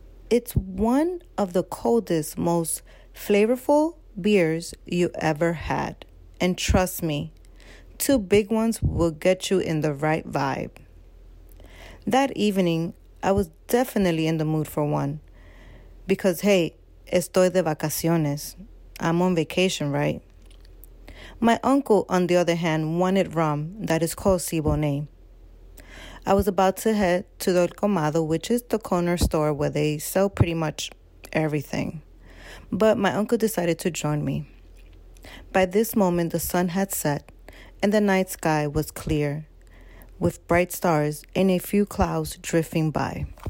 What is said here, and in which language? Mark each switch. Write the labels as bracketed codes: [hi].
[en] It's one of the coldest, most flavorful beers you ever had. And trust me, two big ones will get you in the right vibe. That evening, I was definitely in the mood for one. Because, hey, [es] estoy de vacaciones. [en] I'm on vacation, right? My uncle, on the other hand, wanted rum that is called Siboney. I was about to head to Del Comado, which is the corner store where they sell pretty much everything. but my uncle decided to join me. By this moment, the sun had set, and the night sky was clear, with bright stars and a few clouds drifting by.